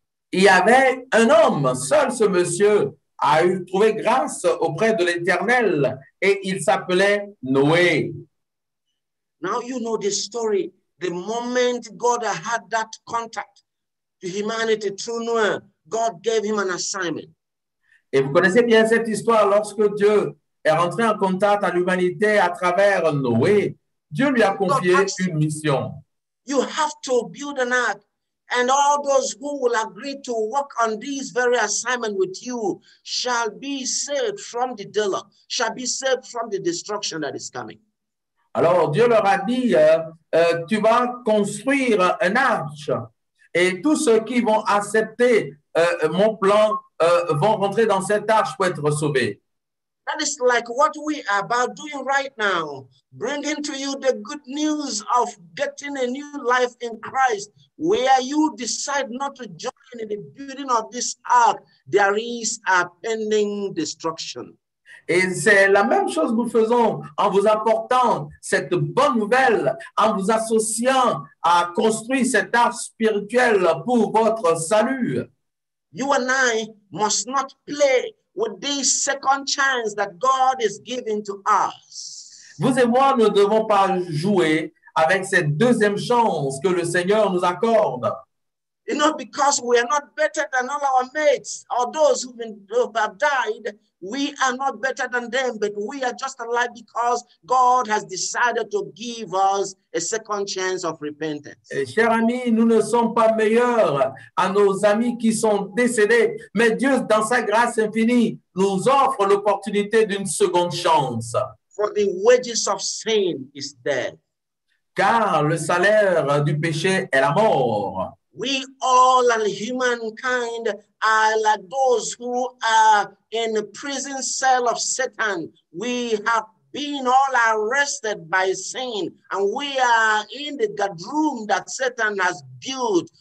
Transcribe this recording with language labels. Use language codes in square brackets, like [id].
[fr] Il y avait un homme, seul ce monsieur a eu trouvé grâce auprès de l'Éternel et il s'appelait Noé. [en] Now you know the story. The moment God had that contact to humanity through Noah, God gave him an assignment. [fr] Et vous connaissez bien cette histoire. Lorsque Dieu est rentré en contact à l'humanité à travers Noé, Dieu lui a confié une mission. [en] You have to build an ark. And all those who will agree to work on this very assignment with you shall be saved from the dilemma, shall be saved from the destruction that is coming. [fr] Alors Dieu leur a dit, tu vas construire un arche et tous ceux qui vont accepter mon plan vont rentrer dans cette arche pour être sauvés. [en] That is like what we are about doing right now, bringing to you the good news of getting a new life in Christ, where you decide not to join in the building of this ark, there is a pending destruction. [fr] Et c'est la même chose que nous faisons en vous apportant cette bonne nouvelle, en vous associant à construire cette ark spirituelle pour votre salut. [en] You and I must not play with this second chance that God is giving to us. [fr] Vous et moi ne devons pas jouer avec cette deuxième chance que le Seigneur nous accorde. [en] You know, because we are not better than all our mates or those who have died. We are not better than them, but we are just alive because God has decided to give us a second chance of repentance. [fr] Et chers amis, nous ne sommes pas meilleurs à nos amis qui sont décédés, mais Dieu, dans sa grâce infinie, nous offre l'opportunité d'une seconde chance. [en] For the wages of sin is death. [fr] Car le salaire du péché est la mort. [en] We all and humankind are like those who are in the prison cell of Satan. We have been all arrested by sin, and we are in the guardroom that Satan has built.